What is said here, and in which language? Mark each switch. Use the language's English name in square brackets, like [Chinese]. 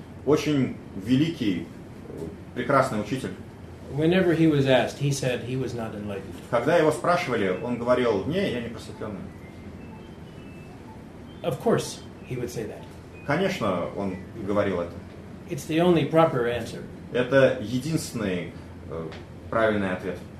[Russian] Очень великий, прекрасный учитель. [English] Whenever he was asked, he said he was not enlightened. [Russian] Когда его спрашивали, он говорил: "Не, я не просветленный". [English] Of course, he would say that. [Russian] Конечно, он говорил это. [English] It's the only proper answer. [Russian] Это единственный правильный ответ.